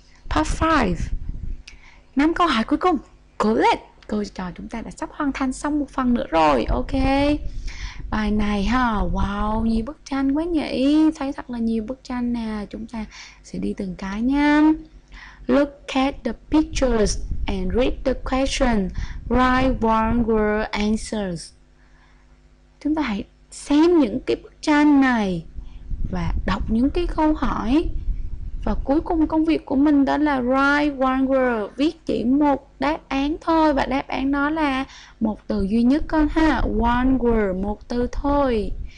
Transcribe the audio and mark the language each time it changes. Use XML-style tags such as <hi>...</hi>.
<vi>Part 5. Năm câu hỏi cuối cùng. Cố lên. Câu trò chúng ta đã sắp hoàn thành xong một phần nữa rồi. Ok. Bài này ha, wow, nhiều bức tranh quá nhỉ. Thấy thật là nhiều bức tranh nè. Chúng ta sẽ đi từng cái nha.</vi> <en>Look at the pictures and read the question. Write one word answers.</en> <vi>Chúng ta hãy xem những cái bức tranh này và đọc những cái câu hỏi. Và cuối cùng công việc của mình đó là</vi> <en>write one word,</en> <vi>viết chỉ một đáp án thôi, và đáp án nó là một từ duy nhất con ha, one word, một từ thôi.</vi>